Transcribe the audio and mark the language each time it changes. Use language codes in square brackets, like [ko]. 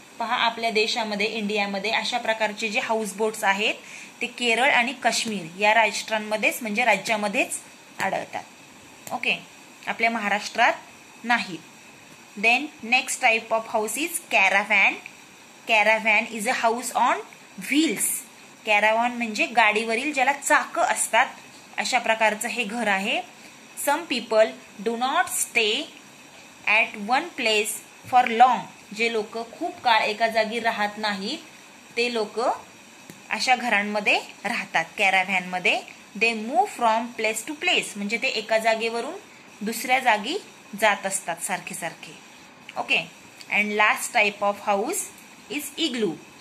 [mr] पहा आपल्या देशामध्ये इंडियामध्ये अशा प्रकारचे जे हाऊस बोट्स आहेत ते केरळ आणि काश्मीर या राष्ट्रांमध्येच म्हणजे राज्यामध्येच आढळतात. [en] okay, [mr] आपल्या महाराष्ट्रात नाहीत. [en] Then next type of house is caravan. Caravan is a house on wheels. [mr] कॅरावॅन म्हणजे गाडीवरील ज्याला चाकं असतात अशा प्रकारचं हे घर आहे. [en] Some people do not stay at one place for long. [mr] जे लोक खूप काळ एका जागी राहत नाहीत ते लोक अशा घरांमध्ये राहतात, कॅरावॅनमध्ये. [en] They move from place to place. [mr] म्हणजे ते एका जागेवरून दुसऱ्या जागी जात असतात सारखे सारखे. [en] Okay, and last type of house is igloo.